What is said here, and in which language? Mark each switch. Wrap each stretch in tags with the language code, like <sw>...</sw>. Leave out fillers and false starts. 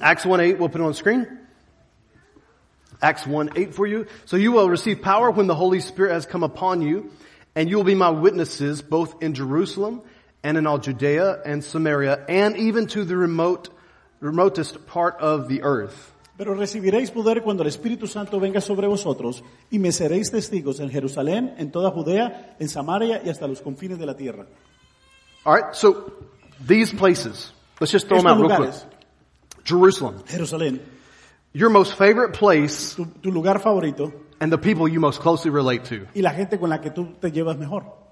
<en>Acts 1:8, we'll put it on the screen. Acts 1:8 for you. So you will receive power when the Holy Spirit has come upon you, and you will be my witnesses both in Jerusalem and in all Judea and Samaria, and even to the remotest part of the earth.</en> <es>Pero recibiréis poder cuando el Espíritu Santo venga sobre vosotros, y me seréis testigos en Jerusalén, en toda Judea, en Samaria, y hasta los confines de la tierra.</es> <en>All right, so these places, let's just throw</en> <es>estos</es> <en>them out</en> <es>lugares,</es> <en>real quick. Jerusalem.</en> <es>Jerusalén.</es> <en>Your most favorite place.</en> <es>Tu lugar favorito.</es> <en>And the people you most closely relate to.</en> <es>Y la gente con la que tú te llevas mejor.</es>